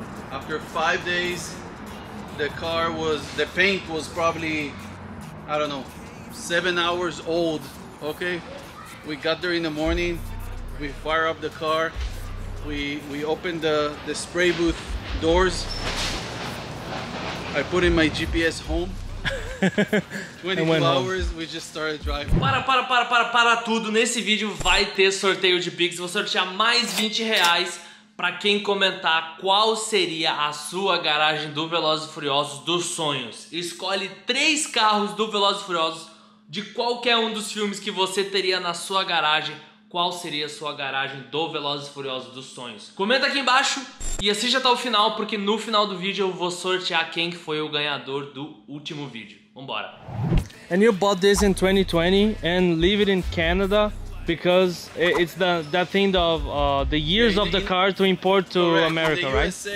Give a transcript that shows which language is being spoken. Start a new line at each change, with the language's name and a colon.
English: After 5 days, the paint was probably, I don't know, 7 hours old. Okay, we got there in the morning, we fire up the car, we opened the spray booth doors, I put in my GPS home. 24 hours, we just started driving.
Portuguese: Para tudo, nesse vídeo vai ter sorteio de Pix. Vou sortear mais R$20 para quem comentar qual seria a sua garagem do Velozes e Furiosos dos sonhos. Escolhe 3 carros do Velozes e Furiosos de qualquer um dos filmes que você teria na sua garagem. Qual seria a sua garagem do Velozes e Furiosos dos sonhos? Comenta aqui embaixo e assista até o final, porque no final do vídeo eu vou sortear quem foi o ganhador do último vídeo. Vambora!
English: And you bought this in 2020 and leave it in Canada. Because it's that thing of the years of the car to import to America, right?